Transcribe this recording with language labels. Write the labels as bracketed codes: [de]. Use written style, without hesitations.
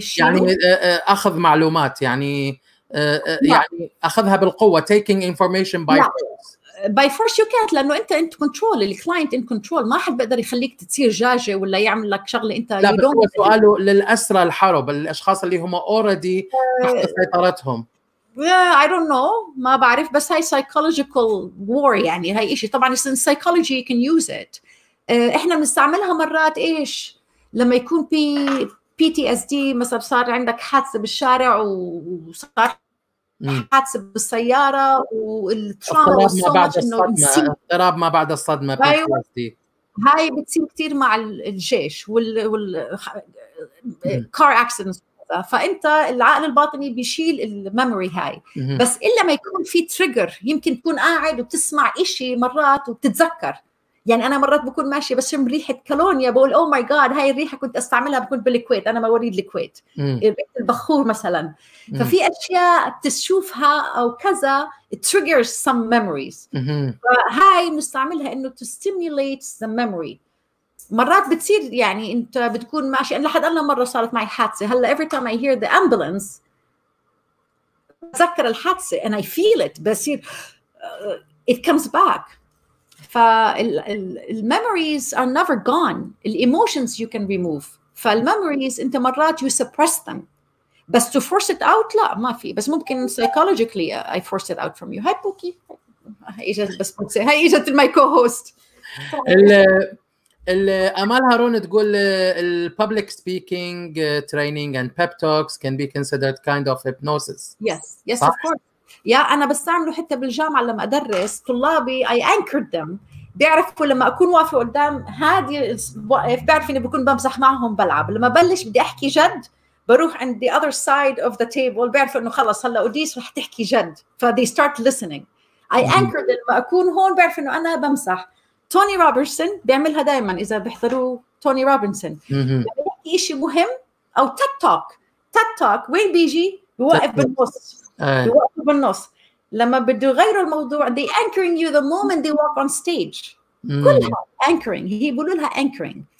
[ar] شيء؟ يعني أخذ معلومات يعني أخذها بالقوة. [en] taking information by force. by force you can't, [ar] لأنه أنت in control, [en] the client in control, [ar] ما حد بقدر يخليك تصير جاجة ولا يعمل لك شغلة أنت. لا بس هو سؤاله للأسرى الحرب, الأشخاص اللي هم already تحت سيطرتهم. [en] Yeah, I don't know, [ar] ما بعرف, بس هاي [en] psychological war [ar] يعني, هاي إشي طبعاً [en] in psychology you can use it. [ar] إحنا بنستعملها مرات إيش لما يكون في PTSD مثلا, صار عندك حادثة بالشارع وصار حادثة بالسيارة والترامة اضطراب ما بعد الصدمة. PTSD هاي بتصير كتير مع الجيش وال car accidents, فأنت العقل الباطني بيشيل الميموري هاي. بس إلا ما يكون في تريجر, يمكن تكون قاعد وبتسمع إشي مرات وبتتذكر. يعني أنا مرات بكون ماشية بشم ريحة كولونيا بقول [en] oh my god [ar] هاي الريحة كنت أستعملها بكون بالكويت, أنا مواليد الكويت, البخور مثلا. ففي أشياء تشوفها أو كذا [en] triggers some memories, [ar] فهاي نستعملها إنه [en] to stimulate the memory. [ar] مرات بتصير يعني أنت بتكون ماشي, أنا لحد الآن مرة صارت معي حادثة, هلا [en] every time I hear the ambulance [ar] بتذكر الحادثة [en] and I feel it, [ar] بصير [en] it comes back. فالmemories are never gone. الemotions you can remove. فالmemories [ar] انت مرات [en] you suppress them. [ar] بس [en] to force it out [ar] لا ما في. بس ممكن [en] psychologically I force it out from you. [ar] هاي بوكي. هاي اجت my co-host. [en] أمال هارون تقول public speaking training and pep talks can be considered kind of hypnosis. Yes. Yes of course. [ar] يا أنا بستعمله حتى بالجامعة لما أدرس طلابي, [en] I anchored them, [ar] بيعرفوا لما أكون واقف قدام هادي واقف بيعرف إني بكون بمزح معهم بلعب, لما بلش بدي أحكي جد بروح عند [en] the other side of the table [ar] بيعرف إنه خلص هلا أوديس رح تحكي جد, ف [en] they start listening. I anchored them, [ar] لما أكون هون بيعرف إنه أنا بمزح. توني روبرتسون بيعملها دائما, إذا بيحضروا توني روبرتسون بيحكي إشي مهم أو تيك توك, تيك توك وين بيجي بوقف بالنص. يوقفوا بالنص لما بدو يغيروا الموضوع, [en] they anchoring you the moment they walk on stage. [ar] كلها anchoring, هي بقولوا لها anchoring.